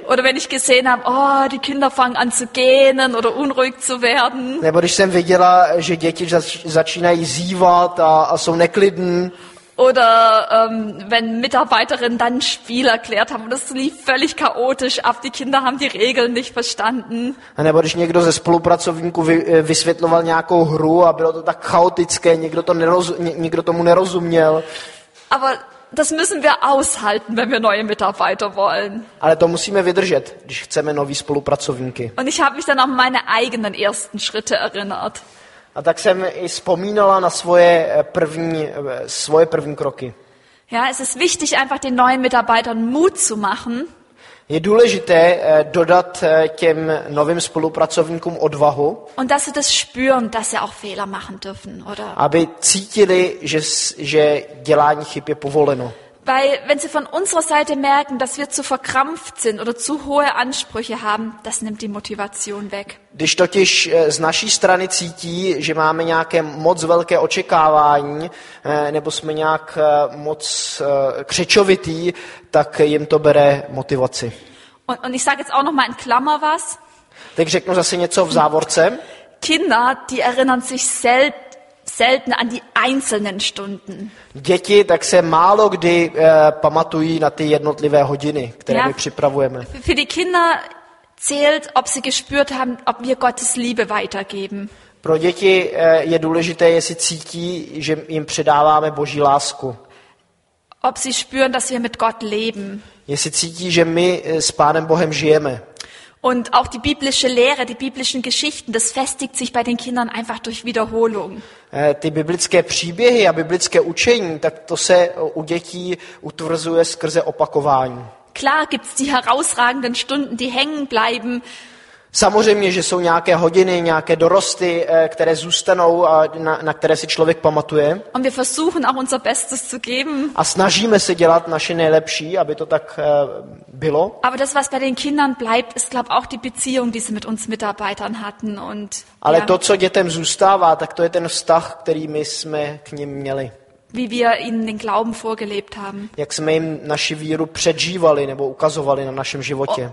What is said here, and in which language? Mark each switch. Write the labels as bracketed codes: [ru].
[de] Oder wenn ich gesehen habe, oh, die Kinder fangen an zu gähnen oder unruhig zu werden. [cs] Nebo když jsem viděla, že děti začínají zívat a jsou neklidní. [de] Oder wenn Mitarbeiterinnen dann ein Spiel erklärt haben und es lief völlig chaotisch ab, die Kinder haben die Regeln nicht verstanden. [cs] A nebo když někdo ze spolupracovníků vysvětloval nějakou hru a bylo to tak chaotické, nikdo tomu nerozuměl. [de] Aber das müssen wir aushalten, wenn wir neue Mitarbeiter wollen. [cs] Ale to musíme vydržet, když chceme nový spolupracovníky. [de] Und ich habe mich dann an meine eigenen ersten Schritte erinnert. [cs] A tak jsem i vzpomínala na svoje první kroky. [de] Ja, es ist wichtig, einfach den neuen Mitarbeitern Mut zu machen. [cs] Je důležité dodat těm novým spolupracovníkům odvahu. [de] Und dass sie das spüren, dass sie auch Fehler machen dürfen, oder? [cs] Aby cítili, že dělání chyb je povoleno. [de] Weil wenn sie von unserer Seite merken, dass wir zu verkrampft sind oder zu hohe Ansprüche haben, das nimmt die Motivation weg. [cs] Když totiž z naší strany cítí, že máme nějaké moc velké očekávání, nebo jsme nějak moc křečovitý, tak jim to bere motivaci. [de] Und ich sage jetzt auch noch mal in Klammer was. [cs] Tak řeknu zase něco v závorce. [de] Kinder, die erinnern sich selten an die einzelnen Stunden. [cs] Děti tak se málo kdy pamatují na ty jednotlivé hodiny, které my připravujeme. [de] Für die Kinder zählt, ob sie gespürt haben, ob wir Gottes Liebe weitergeben. [cs] Pro děti je důležité, jestli cítí, že jim předáváme Boží lásku. [de] Ob sie spüren, dass wir mit Gott leben. [cs] Jestli cítí, že my s Pánem Bohem žijeme. [de] Und auch die biblische Lehre, die biblischen Geschichten, das festigt sich bei den Kindern einfach durch Wiederholung. [cs] Ty biblické příběhy a biblické učení, tak to se u dětí utvrzuje skrze opakování. [de] Klar gibt's die herausragenden Stunden, die hängen bleiben. [cs] Samozřejmě, že jsou nějaké hodiny, nějaké dorosty, které zůstanou a na které si člověk pamatuje. [de] Und wir versuchen auch unser Bestes zu geben. [cs] A snažíme se dělat naše nejlepší, aby to tak bylo. [de] Aber das, was bei den Kindern bleibt, ist glaube auch die Beziehung, die sie mit uns Mitarbeitern hatten. Und, [cs] ale to, co dětem zůstává, tak to je ten vztah, který my jsme k ním měli. [de] Wie wir ihnen den Glauben vorgelebt haben. [cs] Jak jsme jim naši víru předžívali nebo ukazovali na našem životě.